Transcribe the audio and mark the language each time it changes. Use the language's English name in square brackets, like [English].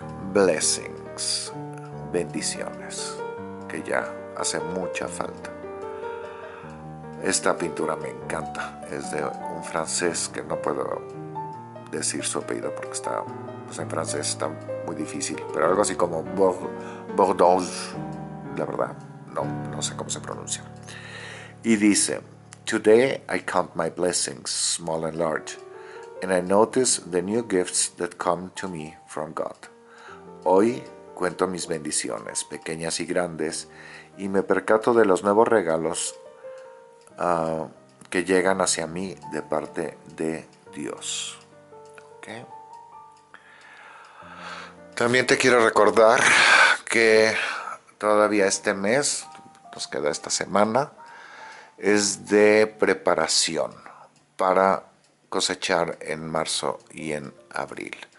[Spanish] Blessings, bendiciones, que ya hace mucha falta. Esta pintura me encanta, es de un francés que no puedo decir su apellido porque está, pues en francés está muy difícil, pero algo así como Bordeaux, la verdad. No sé cómo se pronuncia. Y dice, [English] Today I count my blessings, small and large, and I notice the new gifts that come to me from God. [Spanish] Hoy cuento mis bendiciones, pequeñas y grandes, y me percato de los nuevos regalos, que llegan hacia mí de parte de Dios. Okay. También te quiero recordar que todavía este mes, nos queda esta semana, es de preparación para cosechar en marzo y en abril.